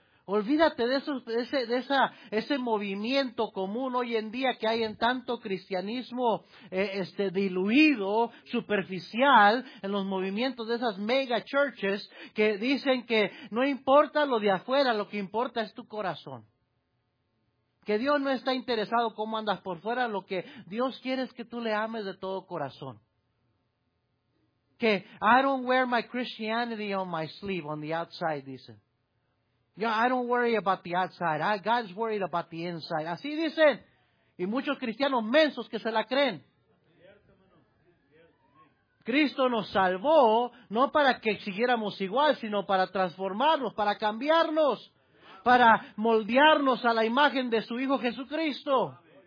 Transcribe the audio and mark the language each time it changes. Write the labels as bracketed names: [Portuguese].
[Spanish] Olvídate de ese movimiento común hoy en día que hay en tanto cristianismo diluido, superficial, en los movimientos de esas mega churches que dicen que no importa lo de afuera, lo que importa es tu corazón. Que Dios no está interesado cómo andas por fuera, lo que Dios quiere es que tú le ames de todo corazón. Que [English] I don't wear my Christianity on my sleeve, on the outside, [Spanish] dicen. [English] Yo, I don't worry about the outside. God's worried about the inside. [Spanish] Así dicen. Y muchos cristianos mensos que se la creen. Cristo nos salvó, no para que siguiéramos igual, sino para transformarnos, para cambiarnos, para moldearnos a la imagen de su Hijo Jesucristo.